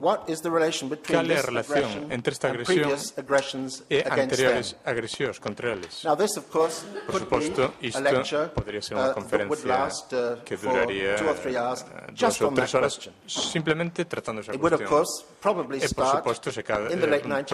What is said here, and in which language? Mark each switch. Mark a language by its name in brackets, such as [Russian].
[English] What is the relation between this aggression and previous aggressions against them? [Galician] Agresións contra eles. [English] Now this, of course, [Galician] por suposto, isto podría ser unha conferencia que duraría dos ou tres horas simplemente tratando esa cuestión. [English] It would, of course, probably start in the late 1980s.